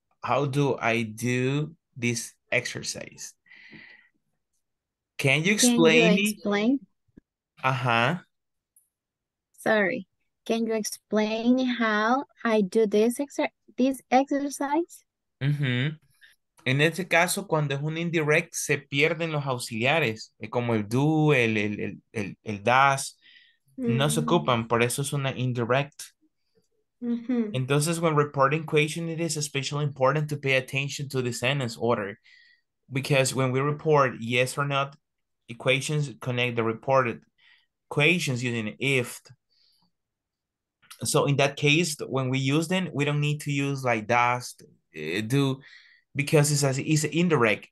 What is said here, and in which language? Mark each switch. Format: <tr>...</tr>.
<en>How do I do this exercise? Can you explain? Can you explain? Uh-huh. Sorry. Can you explain how I do this exercise? Mm-hmm.</en> <es>En este caso, cuando es un indirect, se pierden los auxiliares, como el do, el does. Mm-hmm. No se ocupan, por eso es una indirect. Mm-hmm.</es> <en>Entonces, when reporting question, it is especially important to pay attention to the sentence order. Because when we report yes or not, equations connect the reported equations using if. So in that case, when we use them, we don't need to use like does, do, because it's indirect.</en>